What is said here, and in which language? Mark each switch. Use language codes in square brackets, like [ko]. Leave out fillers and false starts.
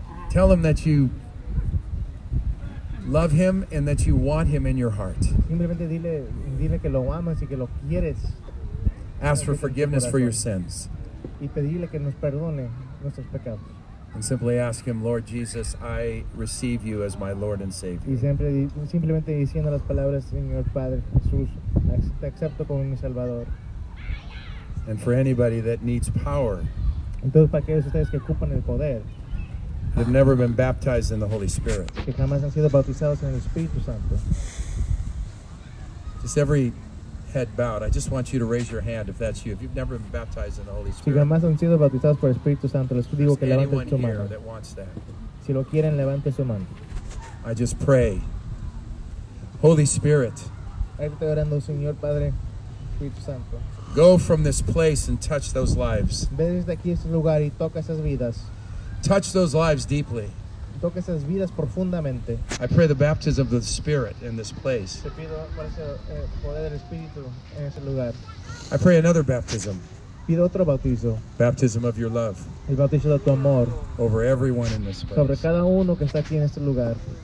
[en] Tell him that you love him and that you want him in your heart. [es] Simplemente dile que lo amas y que lo quieres. [en] Ask for forgiveness for your sins. [es] Y pedirle que nos perdone nuestros pecados. [en] And simply ask him, Lord Jesus, I receive you as my Lord and Savior. [es] Y simplemente diciendo las palabras, Señor Padre Jesús, te acepto como mi Salvador. [en] And for anybody that needs power. [es] Entonces para aquellos ustedes que ocupan el poder. [en] They've never been baptized in the Holy Spirit. [es] Que jamás han sido bautizados en el Espíritu Santo. [en] Just every head bowed, I just want you to raise your hand if that's you. If you've never been baptized in the Holy Spirit. [es] Si jamás han sido bautizados por el Espíritu Santo, les digo que levanten su mano. [en] There's anyone here that wants that. [es] Si lo quieren, levanten su mano. [en] I just pray. Holy Spirit. [es] Ahí estoy orando, Señor Padre, Espíritu Santo. [en] Go from this place and touch those lives. [es] Ve desde aquí este lugar y toca esas vidas. [en] Touch those lives deeply. [es] Toca esas vidas profundamente. [en] I pray the baptism of the Spirit in this place. [es] Te pido por ese poder del Espíritu en ese lugar. [en] I pray another baptism. [es] Pido otro bautizo. [en] Baptism of your love. [es] El bautizo de tu amor. [en] Over everyone in this place. [es] Sobre cada uno que está aquí en este lugar.